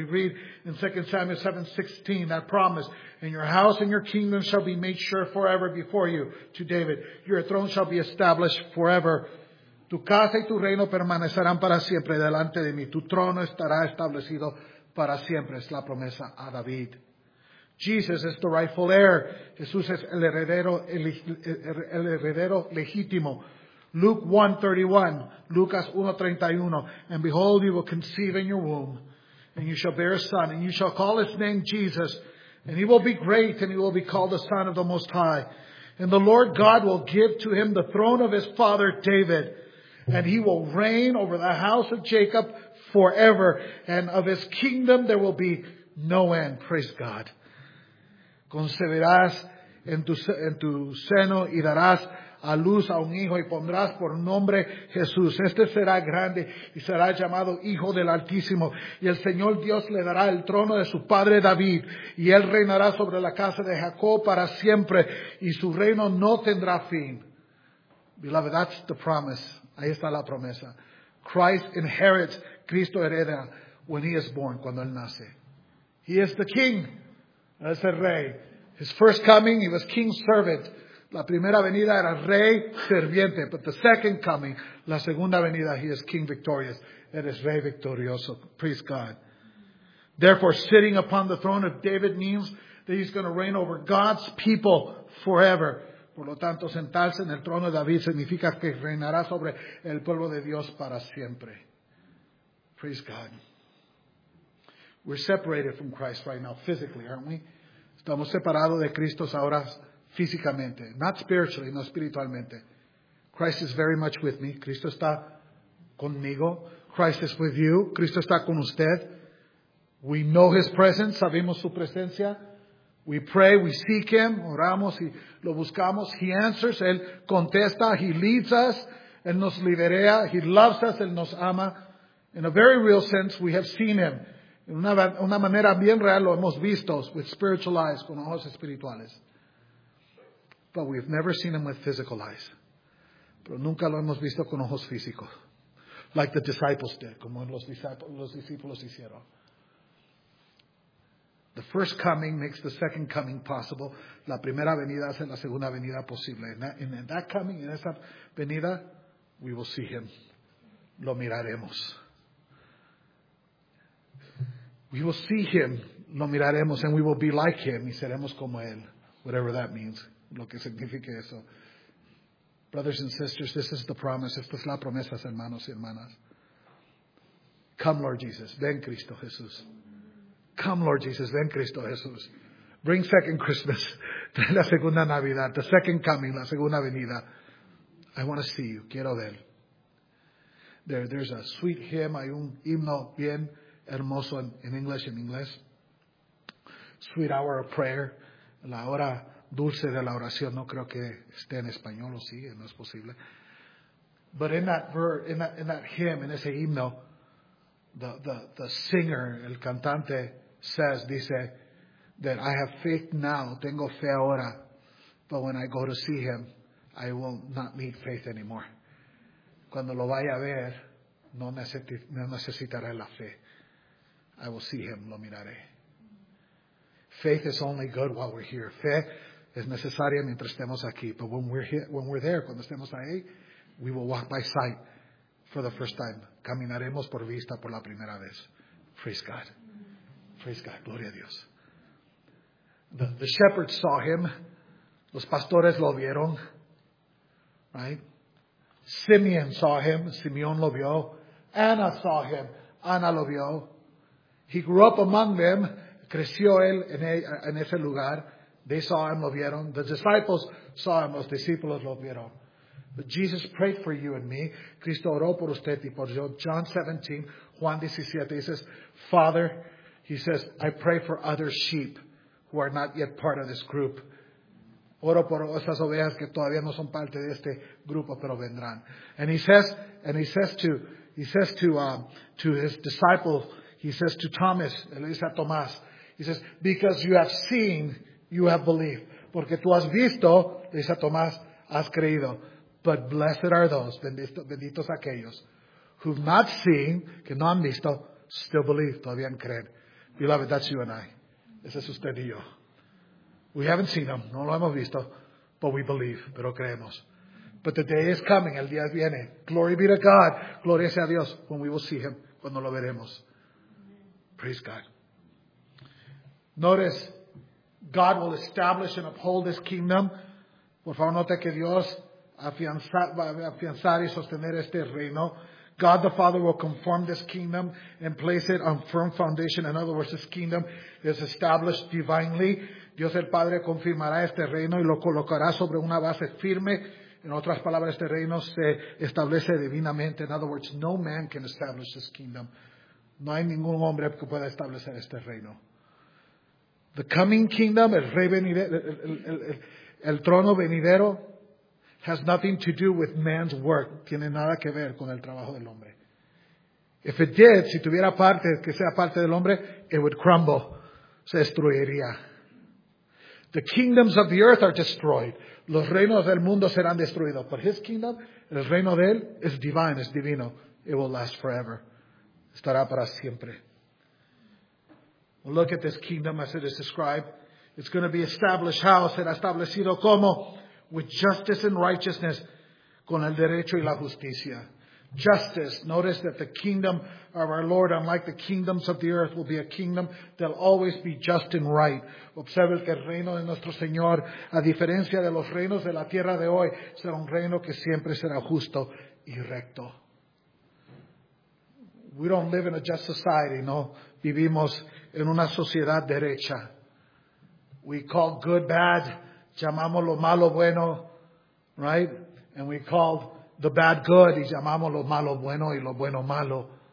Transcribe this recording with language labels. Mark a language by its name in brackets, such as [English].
[English] We read in 2 Samuel 7:16 that promise, and your house and your kingdom shall be made sure forever before you, to David. Your throne shall be established forever. [Spanish] Tu casa y tu reino permanecerán para siempre delante de mí. Tu trono estará establecido para siempre. Es la promesa a David. [English] Jesus is the rightful heir. [Spanish] Jesús es el heredero legítimo. Lucas 1:31. [English] And behold, you will conceive in your womb, and you shall bear a son, and you shall call his name Jesus. And he will be great, and he will be called the Son of the Most High. And the Lord God will give to him the throne of his father David. And he will reign over the house of Jacob forever. And of his kingdom there will be no end. Praise God. [Spanish] Concebirás en tu seno y darás a luz a un hijo y pondrás por nombre Jesús. Este será grande y será llamado Hijo del Altísimo. Y el Señor Dios le dará el trono de su padre David. Y él reinará sobre la casa de Jacob para siempre. Y su reino no tendrá fin. [English] Beloved, that's the promise. [Spanish] Ahí está la promesa. [English] Christ inherits, [Spanish] Cristo hereda, [English] when he is born, [Spanish] cuando él nace. [English] He is the king. [Spanish] Es el rey. [English] His first coming, he was king servant. [Spanish] La primera venida era rey serviente. [English] But the second coming, [Spanish] la segunda venida, [English] he is king victorious. [Spanish] Él es rey victorioso. [English] Praise God. Therefore, sitting upon the throne of David means that he's going to reign over God's people forever. [Spanish] Por lo tanto, sentarse en el trono de David significa que reinará sobre el pueblo de Dios para siempre. [English] Praise God. We're separated from Christ right now physically, aren't we? [Spanish] Estamos separados de Cristo ahora físicamente. [English] Not spiritually, [Spanish] no espiritualmente. [English] Christ is very much with me. [Spanish] Cristo está conmigo. [English] Christ is with you. [Spanish] Cristo está con usted. [English] We know his presence. [Spanish] Sabemos su presencia. [English] We pray, we seek him. [Spanish] Oramos y lo buscamos. [English] He answers. [Spanish] Él contesta. [English] He leads us. [Spanish] Él nos liberea. [English] He loves us. [Spanish] Él nos ama. [English] In a very real sense, we have seen him. [Spanish] En una manera bien real lo hemos visto, [English] with spiritual eyes, [Spanish] con ojos espirituales. [English] But we've never seen him with physical eyes. [Spanish] Pero nunca lo hemos visto con ojos físicos. [English] Like the disciples did, [Spanish] como los discípulos hicieron. [English] The first coming makes the second coming possible. [Spanish] La primera venida hace la segunda venida posible. [English] In that coming, [Spanish] en esa venida, [English] we will see him. [Spanish] Lo miraremos. [English] We will see him, [Spanish] lo miraremos, [English] and we will be like him, [Spanish] y seremos como él, [English] whatever that means, [Spanish] lo que signifique eso. [English] Brothers and sisters, this is the promise, [Spanish] esta es la promesa, hermanos y hermanas. [English] Come, Lord Jesus, [Spanish] ven, Cristo Jesús. [English] Come, Lord Jesus, ven, Cristo Jesús. Bring second Christmas, [Spanish] la segunda Navidad, [English] the second coming, [Spanish] la segunda venida. [English] I want to see you, [Spanish] quiero ver. [English] There's a sweet hymn, [Spanish] hay un himno bien hermoso en inglés. Sweet hour of prayer. La hora dulce de la oración. No creo que esté en español o sí, no es posible. [English] But in that hymn, in [Spanish] ese himno, [English] the singer, [Spanish] el cantante, dice, [English] that I have faith now, [Spanish] tengo fe ahora, [English] but when I go to see him, I will not need faith anymore. [Spanish] Cuando lo vaya a ver, no necesitaré la fe. [English] I will see him, [Spanish] lo miraré. [English] Faith is only good while we're here. [Spanish] Fe es necesaria mientras estemos aquí. [English] But when we're there, [Spanish] cuando estemos ahí, [English] we will walk by sight for the first time. [Spanish] Caminaremos por vista por la primera vez. [English] Praise God. Praise God. [Spanish] Gloria a Dios. [English] The shepherds saw him. [Spanish] Los pastores lo vieron. [English] Right? Simeon saw him. [Spanish] Simeon lo vio. [English] Anna saw him. [Spanish] Anna lo vio. [English] He grew up among them. [Spanish] Creció él en ese lugar. [English] They saw him, [Spanish] lo vieron. [English] The disciples saw him, [Spanish] los discípulos lo vieron. [English] But Jesus prayed for you and me. [Spanish] Cristo oró por usted y por yo. [English] John 17, Juan 17, he says, Father, he says, I pray for other sheep who are not yet part of this group. [Spanish] Oro por esas ovejas que todavía no son parte de este grupo, pero vendrán. [English] And he says to his disciple, he says to Thomas, [Spanish] él dice a Tomás, [English] he says, because you have seen, you have believed. [Spanish] Porque tú has visto, dice a Tomás, has creído. [English] But blessed are those, [Spanish] benditos aquellos, [English] who've not seen, [Spanish] que no han visto, [English] still believe, [Spanish] todavía creen. [English] Beloved, that's you and I. [Spanish] Ese es usted y yo. [English] We haven't seen them, [Spanish] no lo hemos visto, [English] but we believe, [Spanish] pero creemos. [English] But the day is coming, [Spanish] el día viene. [English] Glory be to God, [Spanish] gloria sea a Dios, [English] when we will see him, [Spanish] cuando lo veremos. [English] Praise God. Notice, God will establish and uphold his kingdom. [Spanish] Por favor, note que Dios afianzar y sostener este reino. [English] God the Father will confirm this kingdom and place it on firm foundation. In other words, this kingdom is established divinely. [Spanish] Dios el Padre confirmará este reino y lo colocará sobre una base firme. En otras palabras, este reino se establece divinamente. [English] In other words, no man can establish this kingdom. [Spanish] No hay ningún hombre que pueda establecer este reino. [English] The coming kingdom, [Spanish] el rey venidero, el trono venidero, [English] has nothing to do with man's work. [Spanish] Tiene nada que ver con el trabajo del hombre. [English] If it did, [Spanish] si tuviera parte, que sea parte del hombre, [English] it would crumble. [Spanish] Se destruiría. [English] The kingdoms of the earth are destroyed. [Spanish] Los reinos del mundo serán destruidos. [English] But his kingdom, [Spanish] el reino de él, [English] is divine, [Spanish] es divino. [English] It will last forever. [Spanish] Estará para siempre. [English] Look at this kingdom as it is described. It's going to be established. How? [Spanish] Será establecido como? [English] With justice and righteousness, [Spanish] con el derecho y la justicia. [English] Justice. Notice that the kingdom of our Lord, unlike the kingdoms of the earth, will be a kingdom that will always be just and right. [Spanish] Observe que el reino de nuestro Señor, a diferencia de los reinos de la tierra de hoy, será un reino que siempre será justo y recto. [English] We don't live in a just society, no. [Spanish] Vivimos en una sociedad derecha. [English] We call good bad. [Spanish] Llamamos lo malo bueno, right? And we call the bad good, y llamamos lo malo bueno y lo bueno malo.